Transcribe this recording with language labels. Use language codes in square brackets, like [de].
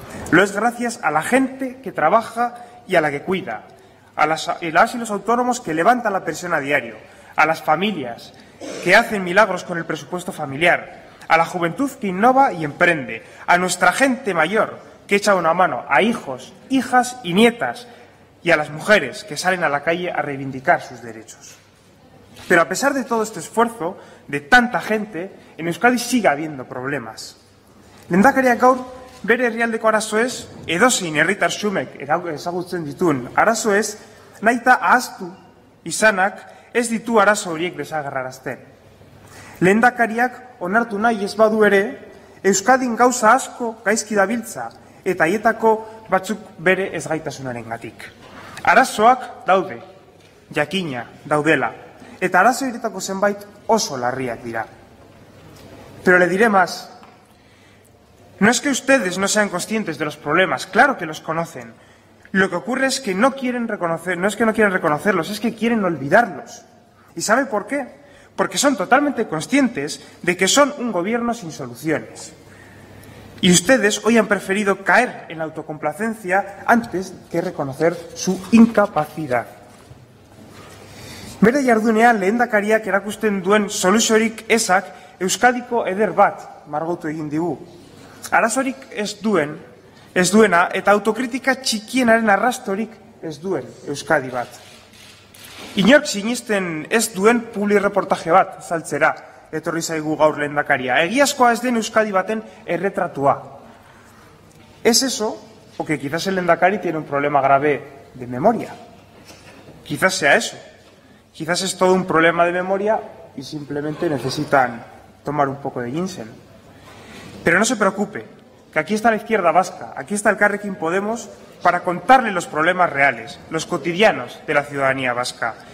[es] Lo es gracias a la gente que trabaja y a la que cuida, a las y los autónomos que levantan la persiana a diario, a las familias que hacen milagros con el presupuesto familiar, a la juventud que innova y emprende, a nuestra gente mayor que echa una mano, a hijos, hijas y nietas, y a las mujeres que salen a la calle a reivindicar sus derechos. Pero a pesar de todo este esfuerzo, de tanta gente, en Euskadi sigue habiendo problemas. [eu] Lehendakariak gaur bere herrialdeko arazoez, edozein herritar xumek ezagutzen dituen arazoez, nahita ahaztu izanak ez ditu arazo horiek desagerrarazten. Lehendakariak onartu nahi ez badu ere, Euskadin gauza asko gaizki dabiltza eta haietako batzuk bere ezgaitasunarengatik. Arazoak daude, jakina daudela, eta arazo horietako zenbait oso larriak dira. [es] Pero le diré más. No es que ustedes no sean conscientes de los problemas, claro que los conocen. Lo que ocurre es que no quieren reconocerlos, es que quieren olvidarlos. ¿Y sabe por qué? Porque son totalmente conscientes de que son un gobierno sin soluciones. Y ustedes hoy han preferido caer en la autocomplacencia antes que reconocer su incapacidad. [eu] Bere jardunean lehendakariak erakusten duen soluziorik ezak Euskadiko eder bat margotu egin digu. Arazorik ez duena eta autokritika txikienaren arrastorik ez duen Euskadi bat. Inork sinisten ez duen publireportaje bat saltzera etorri zaigu gaur lehendakaria. Egiazkoa ez den Euskadi baten erretratua. [es] Es eso, o que quizás el lehendakari tiene un problema grave de memoria. Quizás sea eso. Quizás es todo un problema de memoria y simplemente necesitan tomar un poco de ginseng. Pero no se preocupe, que aquí está la izquierda vasca, aquí está Elkarrekin Podemos para contarle los problemas reales, los cotidianos de la ciudadanía vasca.